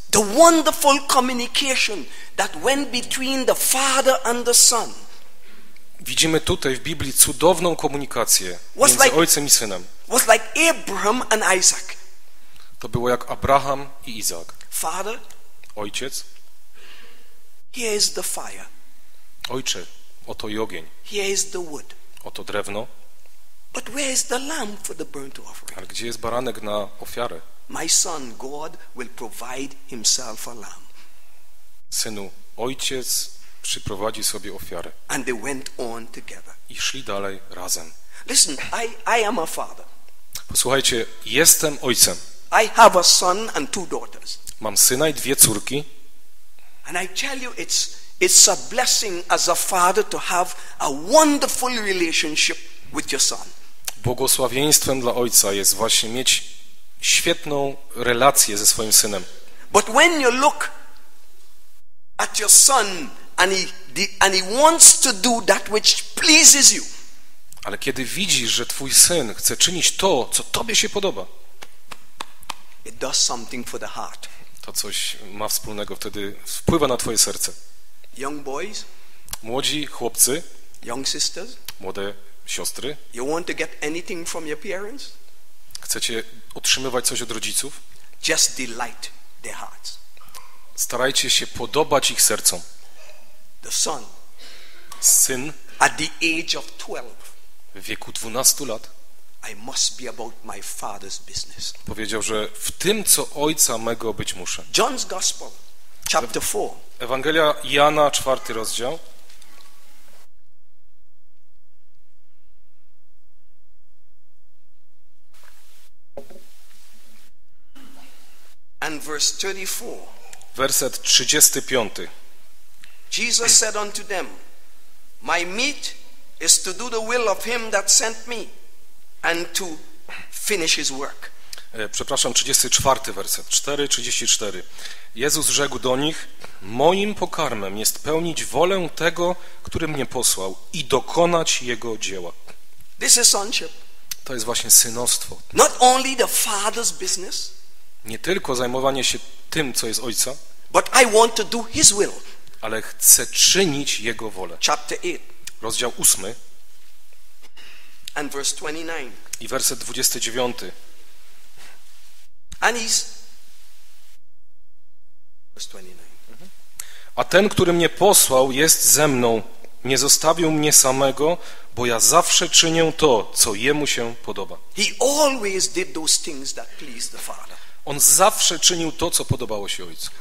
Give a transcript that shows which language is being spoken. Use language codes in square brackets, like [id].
[en] The wonderful communication that went between the father and the son. [pl] Widzimy tutaj w Biblii cudowną komunikację między ojcem i synem. [en] Was like Abraham and Isaac. [pl] To było jak Abraham i Izak. [en] Father, [pl] ojciec. [en] Here is the fire. [pl] Ojcze, oto i ogień. [en] Here is the wood. [pl] Oto drewno. [en] But where is the lamb for the burnt offering? [pl] Ale gdzie jest baranek na ofiarę? [en] My son, God will provide himself a lamb. [pl] Synu, ojciec przyprowadzi sobie ofiarę. [en] And they went on together. [pl] I szli dalej razem. [en] Listen, I am a father. [pl] Posłuchajcie, jestem ojcem. [en] I have a son and two daughters. [pl] Mam syna i dwie córki. [en] And I tell you, it's a blessing as a father to have a wonderful relationship with your son. [pl] Błogosławieństwem dla ojca jest właśnie mieć świetną relację ze swoim synem. [en] But when you look at your son and he wants to do that which pleases you. [pl] Ale kiedy widzisz, że twój syn chce czynić to, co tobie się podoba, [en] it does something for the heart. [pl] To coś ma wspólnego, wtedy wpływa na twoje serce. [en] Young boys, [pl] młodzi chłopcy, [en] young sisters, [pl] młode siostry, [en] you want to get anything from your parents? [pl] Chcecie otrzymywać coś od rodziców? [en] Just delight their hearts. [pl] Starajcie się podobać ich sercom. [en] The son, [pl] syn, [en] at the age of 12, [pl] w wieku 12 lat, [en] I must be about my father's business. [pl] Powiedział, że w tym, co ojca mego być muszę. [en] John's Gospel, chapter 4. [pl] Ewangelia Jana, 4 rozdział. [en] And verse 34. [pl] Werset 35. [en] Jesus said unto them, my meat is to do the will of him that sent me and to finish his work. [pl] Przepraszam, 34 werset. 4:34. Jezus rzekł do nich, moim pokarmem jest pełnić wolę tego, który mnie posłał i dokonać jego dzieła. [en] This is sonship. [pl] To jest właśnie synostwo. [en] Not only the father's business. [pl] Nie tylko zajmowanie się tym, co jest ojca, [en] but I want to do his will. [pl] Ale chcę czynić jego wolę. [en] Chapter 8. [pl] Rozdział 8. [en] And verse 29. [pl] I werset 29. [en] And he's... Verse 29. [pl] A ten, który mnie posłał, jest ze mną. Nie zostawił mnie samego, bo ja zawsze czynię to, co jemu się podoba. [en] He always did those things that pleased the Father. [pl] On zawsze czynił to, co podobało się ojcu.